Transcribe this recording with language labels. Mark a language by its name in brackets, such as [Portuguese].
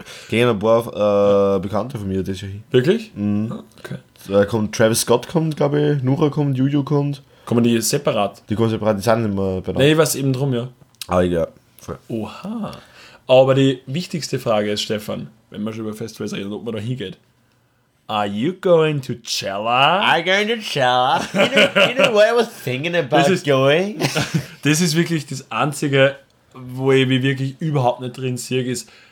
[German] gehen ein paar Bekannte von mir das Jahr hin. Wirklich? Mhm. Okay. Da kommt Travis Scott, kommt, glaube ich, Nura kommt, Juju kommt. Kommen die separat? Die kommen separat, die sind nicht mehr benannt. Nee, ich weiß eben drum, ja. Ah, ja. Oha. Aber die wichtigste Frage ist, Stefan, wenn man schon über Festivals redet, ob man da hingeht. [English] Are you going to Coachella? I'm going to Coachella. You know what I was thinking about this is, going? [German] Das ist wirklich das Einzige, wo ich mich wirklich überhaupt nicht drin sehe, ist,